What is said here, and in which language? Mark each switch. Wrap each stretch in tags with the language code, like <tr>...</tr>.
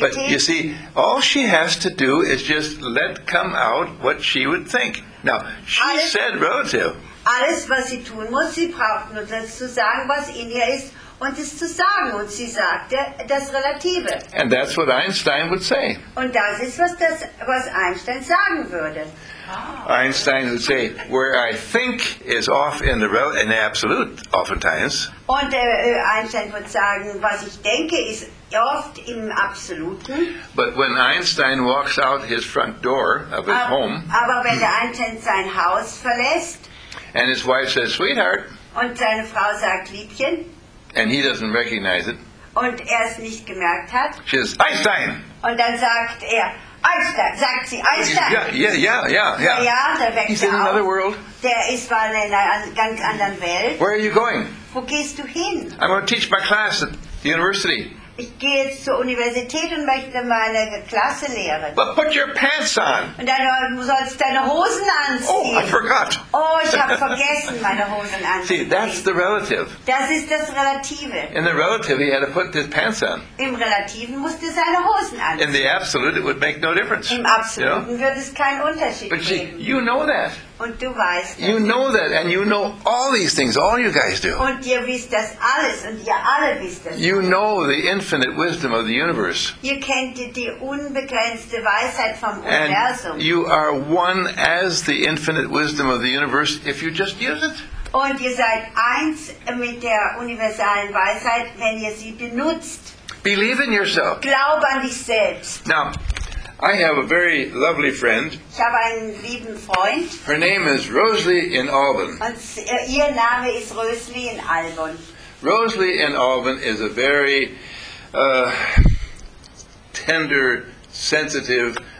<en>But you see, all she has to do is just let come out what she would think. Now, she</en> <de>alles,</de> <en>said relative.</en> <de>Alles, was sie tun muss, sie braucht nur das zu sagen, was in ihr ist, und es zu sagen. Und sie sagte das Relative.</de> <en>And that's what Einstein would say.</en> <de>Und das ist, was Einstein sagen würde.</de> <en>Einstein would say, where I think is off in the in the absolute, oftentimes.</en> <de>Und Einstein would sagen, was ich denke, ist oft im Absoluten.</de> <en>But when Einstein walks out his front door of his home,</en> <de>aber wenn der Einstein sein Haus verlässt,</de> <en>and his wife says, sweetheart,</en> <de>und seine Frau sagt, Liebchen,</de> <en>and he doesn't recognize it,</en> <de>und es nicht gemerkt hat,</de> <en>she says, Einstein!</en> <de>Und dann sagt er, Einstein, sagt sie, Einstein.</de> <en>Yeah.</en> <de>Ja,</de> <en>he's in another world.</en> <de>Der ist mal in einer ganz anderen Welt.</de> <en>Where are you going?</en> <de>Wo gehst du hin?</de> <en>I'm going to teach my class at the university.</en> <de>Ich gehe jetzt zur Universität und möchte meine Klasse lehren.</de> <en>But put your pants on.</en> <de>Und dann sollst deine Hosen anziehen.</de> <en>Oh, I forgot.</en> <de>Oh, ich habe vergessen, meine Hosen anziehen.</de> <en>See, that's the relative.</en> <de>Das ist das Relative.</de> <en>In the relative, he had to put his pants on.</en> <de>Im Relativen musste seine Hosen anziehen.</de> <en>In the absolute, it would make no difference.</en> <de>Im Absoluten,</de> <en>you know?</en> <de>Würde es keinen Unterschied</de> <en>but</en> <de>machen.</de> <en>But you know that.</en> <de>Und du weißt,</de> <en>you know that, and you know all these things, all you guys do.</en> <de>Und ihr wisst das alles, und ihr alle wisst das.</de> <en>You know the infinite wisdom of the universe.</en> <de>Ihr kennt die unbegrenzte Weisheit vom Universum.</de> <en>And you are one as the infinite wisdom of the universe if you just use it.</en> <de>Und ihr seid eins mit der universalen Weisheit, wenn ihr sie benutzt.</de> <en>Believe in yourself.</en> <de>Glaub an dich selbst.</de> <en>Now, I have a very lovely friend.</en> <de>Ich habe einen lieben Freund.</de> <en>Her name is Rosalie in Alban.</en> <de>Und ihr Name ist Rosalie in Alban.</de> <en>Rosalie in Alban is a very tender, sensitive.</en>